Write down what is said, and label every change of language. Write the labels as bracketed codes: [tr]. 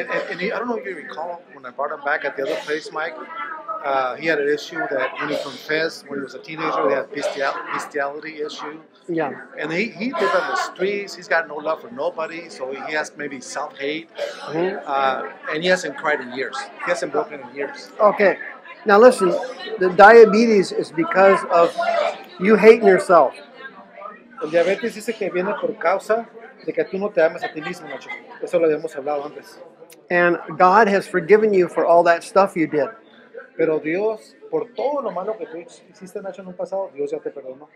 [en] And he, I don't know if you recall when I brought him back at the other place, Mike. He had an issue that when he confessed when he was a teenager, he had bestiality issue. Yeah. And he lived on the streets. He's got no love for nobody. So he has maybe self-hate. Mm-hmm. And he hasn't cried in years. He hasn't broken in years. Okay. Now listen, the diabetes is because of you hating yourself. [es] El diabetes dice que viene por causa de que tú no te amas a ti mismo, Nacho. Eso lo habíamos hablado antes. [en] And God has forgiven you for all that stuff you did. [es] Pero Dios, por todo lo malo que tú hiciste, Nacho, en un pasado, Dios ya te perdonó.